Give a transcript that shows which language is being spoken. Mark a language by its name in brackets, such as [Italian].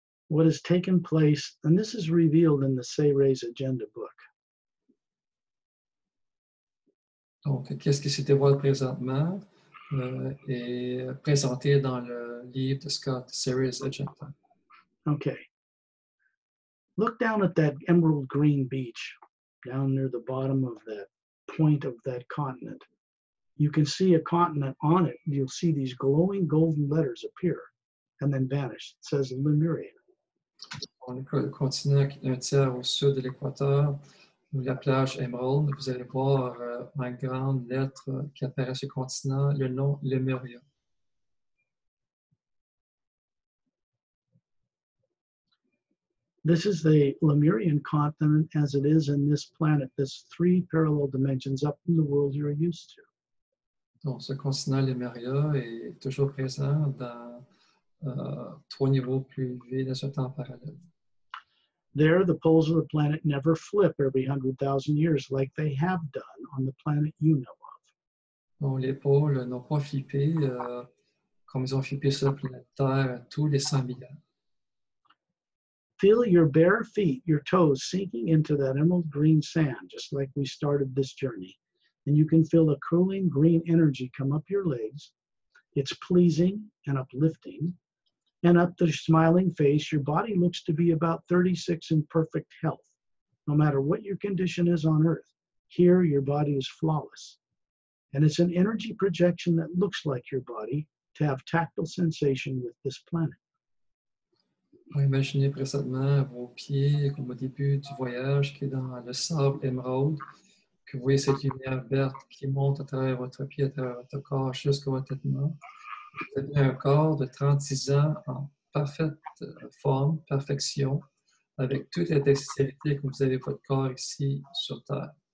[English] What has taken place, and this is revealed in the Say Rays Agenda book. [French] Donc, qu'est-ce qui se dévoile présentement est présenté dans le livre de Scott, Say Rays Agenda. Okay. [English] Look down at that emerald green beach, down near the bottom of that point of that continent. You can see a continent on it. You'll see these glowing golden letters appear and then vanish. It says Lemuria. [French] On le continent qui est un tiers au sud de l'équateur, où la plage Emerald, vous allez voir en grande lettre qui apparaît sur le continent, le nom Lemuria. [English] This is the Lemurian continent as it is in this planet, this three parallel dimensions up from the world you're used to. [French] Donc ce continent Lemuria est toujours présent dans trois niveaux plus élevés dans ce temps parallèle. [English] There, the poles of the planet never flip every 100,000 years like they have done on the planet you know of. [French] Bon, les pôles n'ont pas flippé comme ils ont flippé sur la planète Terre tous les 100,000 ans. [English] Feel your bare feet, your toes sinking into that emerald green sand, just like we started this journey. And you can feel a cooling green energy come up your legs. It's pleasing and uplifting. And up the smiling face, your body looks to be about 36 in perfect health. No matter what your condition is on Earth, here your body is flawless. And it's an energy projection that looks like your body to have tactile sensation with this planet. [French] Imaginez présentement vos pieds comme au début du voyage qui est dans le sable émeraude, que vous voyez cette lumière verte qui monte à travers votre pied, à travers votre corps, jusqu'à votre tête-main. Vous avez un corps de 36 ans en parfaite forme, perfection, avec toute la dextérité que vous avez votre corps ici sur Terre.